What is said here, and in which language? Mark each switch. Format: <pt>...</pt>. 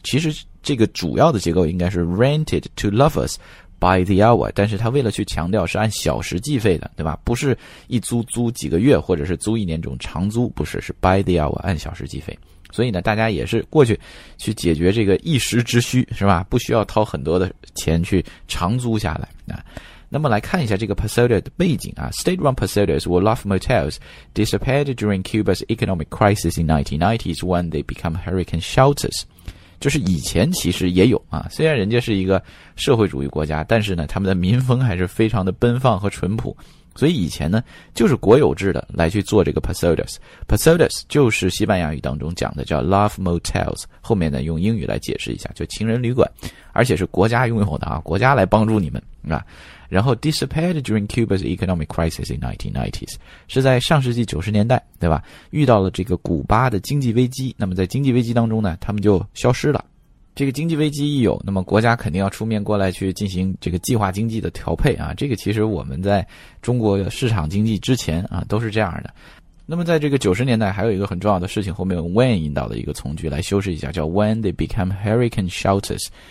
<zh>其实这个主要的结构应该是</zh> <en>rented to lovers by the hour，</en> <zh>但是他为了去强调是按小时计费的，对吧？不是一租租几个月或者是租一年这种长租，不是，是</zh> <en>by the hour，</en> <zh>按小时计费。所以呢大家也是过去去解决这个一时之需，是吧？不需要掏很多的钱去长租下来啊。那么来看一下这个 posada 的背景啊。</zh> <en>State-run posadas were love motels disappeared during Cuba's economic crisis in 1990s when they become hurricane shelters。</en> <zh>就是以前其实也有啊，虽然人家是一个社会主义国家，但是呢他们的民风还是非常的奔放和淳朴。所以以前呢就是国有制的来去做这个 posadas。 posadas 就是西班牙语当中讲的叫 love motels， 后面呢用英语来解释一下就情人旅馆，而且是国家拥有的啊，国家来帮助你们啊。然后</zh> <en>disappeared during Cuba's economic crisis in 1990s，</en> <zh>是在上世纪90年代，对吧？遇到了这个古巴的经济危机，那么在经济危机当中呢他们就消失了。这个经济危机一有，那么国家肯定要出面过来去进行这个计划经济的调配啊。这个其实我们在中国的市场经济之前啊都是这样的。那么在这个90年代还有一个很重要的事情，后面用 when 引导的一个从句来修饰一下，叫</zh> <en>when they become hurricane shelters。</en>